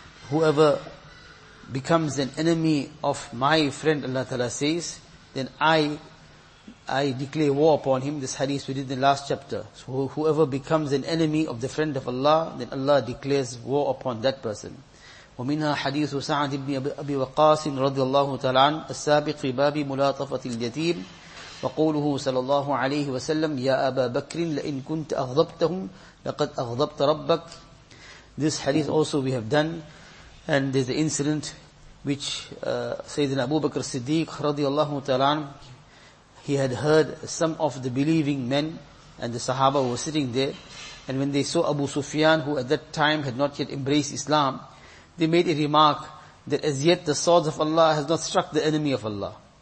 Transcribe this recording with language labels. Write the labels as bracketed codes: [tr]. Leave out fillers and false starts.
[en] Whoever becomes an enemy of my friend, Allah Ta'ala says, then I declare war upon him. This hadith we did in the last chapter. So whoever becomes an enemy of the friend of Allah, then Allah declares war upon that person. [ar] وَمِنْهَا حَدِيثُ سَعَدِ بْنِ أَبِي وَقَاسٍ رَضِيَ اللَّهُ تَعَالَى عَنْهُ السَّابِقِ فِي بَابِ مُلَاطَفَةِ الْيَتِيمِ وقوله صلى الله عليه وسلم يا أبا بكر لئن كنت أغضبتهم لقد أغضبت ربك. [en] This hadith also we have done, and there's an incident which Sayyidina Abu Bakr Siddiq radiallahu ta'ala, he had heard some of the believing men and the Sahaba were sitting there, and when they saw Abu Sufyan, who at that time had not yet embraced Islam, they made a remark that as yet the swords of Allah has not struck the enemy of Allah.